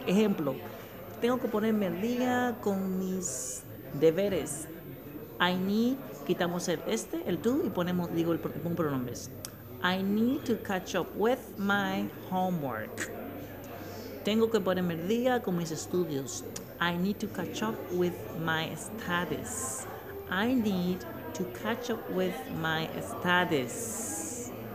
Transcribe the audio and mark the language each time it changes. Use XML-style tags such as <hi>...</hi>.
<es>Ejemplo, tengo que ponerme al día con mis deberes.</es> <en>I need,</en> <es>quitamos el do y ponemos, digo, un pronombre.</es> <en>I need to catch up with my homework.</en> <es>Tengo que ponerme al día con mis estudios.</es> <en>I need to catch up with my studies. I need to catch up with my studies.</en>